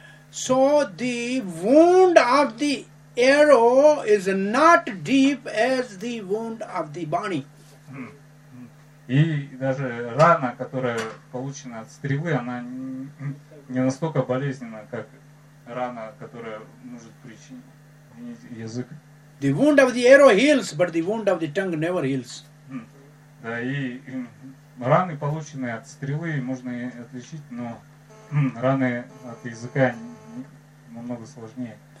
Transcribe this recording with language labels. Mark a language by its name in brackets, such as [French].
[English] So the wound of the arrow is not deep as the wound of the Vani. [Russian] И даже рана, которая получена от стрелы, она не настолько болезненна, как рана, которая может причинить язык. [English] The wound of the arrow heals, but the wound of the tongue never heals. [Russian] Да, и раны, полученные от стрелы, можно отличить, но раны от языка намного сложнее.